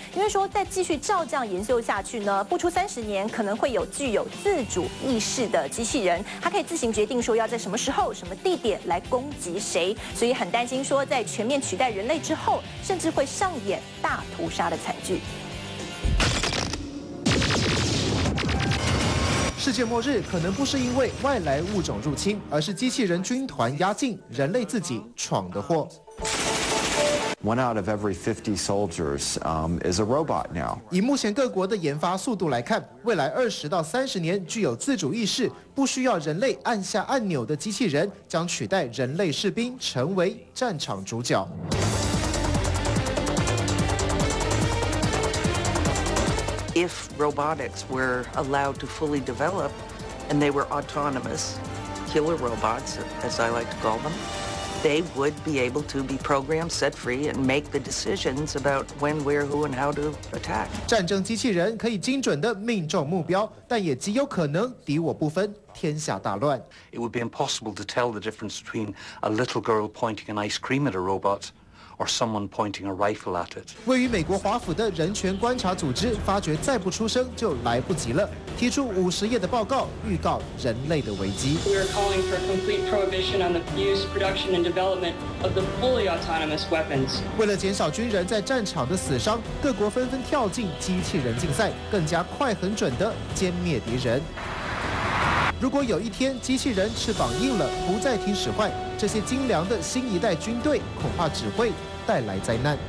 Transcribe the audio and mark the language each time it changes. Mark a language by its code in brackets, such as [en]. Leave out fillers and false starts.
[zh] 因为说再继续照这样研究下去呢，不出30年可能会有具有自主意识的机器人，它可以自行决定说要在什么时候什么地点来攻击谁，所以很担心说在全面取代人类之后，甚至会上演大屠杀的惨剧。世界末日可能不是因为外来物种入侵，而是机器人军团压境，人类自己闯的祸。 [en] One out of every 50 soldiers is a robot now. [zh] 以目前各国的研发速度来看，未来20到30年具有自主意识、不需要人类按下按钮的机器人将取代人类士兵，成为战场主角。 [en] If robotics were allowed to fully develop and they were autonomous, killer robots, as I like to call them, they would be able to be programmed, set free, and make the decisions about when, where, who, and how to attack. [zh] 战争机器人可以精准地命中目标，但也极有可能敌我不分，天下大乱。 [en] It would be impossible to tell the difference between a little girl pointing an ice cream at a robot. Or someone pointing a rifle at it. [zh] 位于美国华府的人权观察组织发觉，再不出声就来不及了，提出50页的报告，预告人类的危机。 [en] We are calling for complete prohibition on the use, production, and development of the fully autonomous weapons. [zh] 为了减少军人在战场的死伤，各国纷纷跳进机器人竞赛，更加快、很准地歼灭敌人。如果有一天机器人翅膀硬了，不再听使唤，这些精良的新一代军队恐怕只会带来灾难。